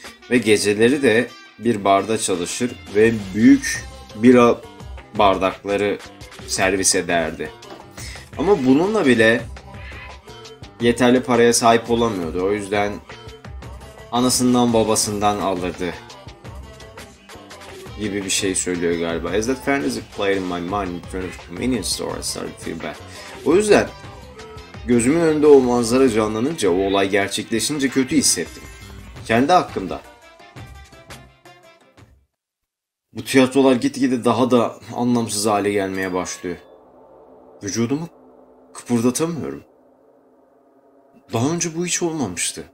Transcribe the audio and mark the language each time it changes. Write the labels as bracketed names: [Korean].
[Turkish] Ve geceleri de bir barda çalışır ve büyük bira bardakları servis ederdi. Ama bununla bile yeterli paraya sahip olamıyordu. O yüzden anasından babasından alırdı gibi bir şey söylüyor galiba. [English] As that fantasy played in my mind in front of a convenience store, I started to feel bad. [Turkish] O yüzden gözümün önünde o manzara canlanınca, o olay gerçekleşince kötü hissettim. Kendi hakkımda. Bu tiyatrolar gitgide daha da anlamsız hale gelmeye başlıyor. Vücudumu kıpırdatamıyorum. Daha önce bu hiç olmamıştı.